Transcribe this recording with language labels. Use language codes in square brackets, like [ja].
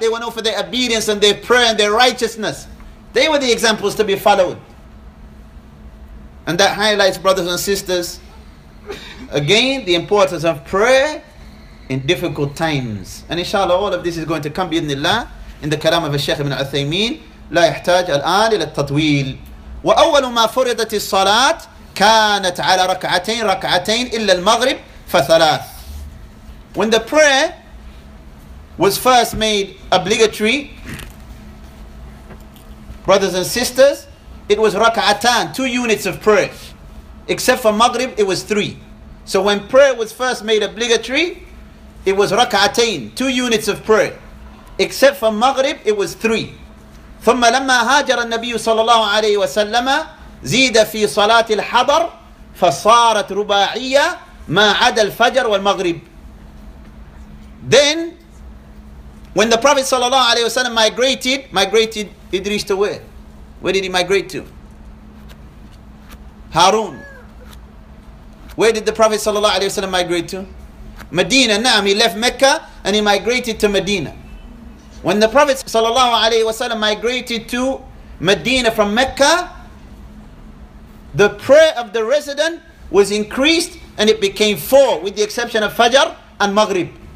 [en] They were known for their obedience and their prayer and their righteousness. They were the examples to be followed. And that highlights, brothers and sisters, again, the importance of prayer in difficult times. And inshallah, all of this is going to come bi-idhnillah in the kalam of Shaykh ibn Uthaymeen. [ar] لا يحتاج الآن إلى التطويل. وأول ما فرضت الصلاة كانت على ركعتين ركعتين إلا المغرب فثلاث. [en] When the prayer was first made obligatory, brothers and sisters, it was rak'atan, two units of prayer. Except for Maghrib, it was three. So when prayer was first made obligatory, it was rak'atain, two units of prayer. Except for Maghrib, it was three. [ar] ثم لما هاجر النبي صلى الله عليه وسلم زيد في صلاة الحضر فصارت رباعية ما عدا الفجر والمغرب. [en] Then, when the Prophet صلى الله عليه وسلم migrated Idris to where? Where did he migrate to? Harun. Where did the Prophet صلى الله عليه وسلم migrate to? Medina. نعم, he left Mecca and he migrated to Medina. When the Prophet ﷺ migrated to Medina from Mecca, the prayer of the resident was increased and it became four, with the exception of Fajr and Maghrib.